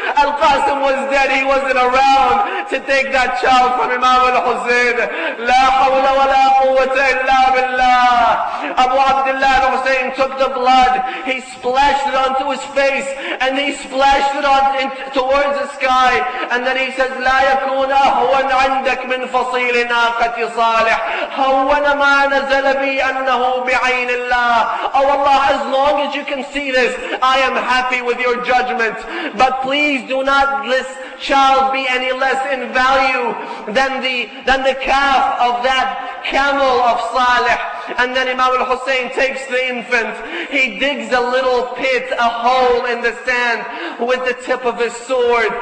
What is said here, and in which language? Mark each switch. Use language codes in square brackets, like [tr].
[en] Al-Qasim was dead. He wasn't around to take that child from Imam al-Hussein. [ar] La hawla wa la quwwata illa billah. [en] Abu Abdullah al-Hussein took the blood. He splashed it onto his face and he splashed it on towards the sky. And then he says, [ar] لا يكون أهون عندك من فصيل ناقة صالح هون ما نزل بي أنه بعين الله. [en] Oh Allah, as long as you can see this, I am happy with your judgment. But please do not this child be any less in value than the calf of that camel of Salih. And then Imam al-Hussein takes the infant. He digs a little pit, a hole in the sand with the tip of his sword.